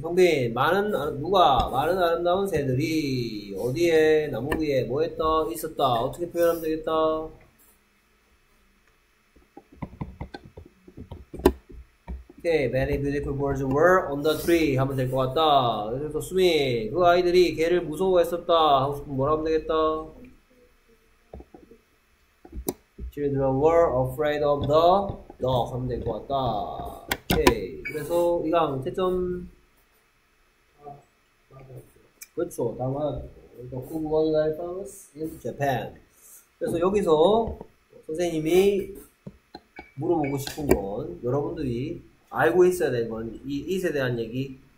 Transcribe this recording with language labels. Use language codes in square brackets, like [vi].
[ko] 성빈, 많은, 누가, 많은 아름다운 새들이 어디에, 나무 위에, 뭐 했다, 있었다. 어떻게 표현하면 되겠다? 오케이, [en] many beautiful birds were on the tree. [ko] 하면 될 것 같다. 그래서 수미, 그 아이들이 개를 무서워했었다. 하고 싶으면 뭐라 하면 되겠다? [en] Children were afraid of the dog. [ko] 하면 될 것 같다. 오케이. 그래서 이강 채점. 그렇죠. 다만 [en] The cook was very famous in Japan. [ko] 그래서 여기서 선생님이 물어보고 싶은 건 여러분들이 알고 있어야 되는 건 이에 대한 얘기.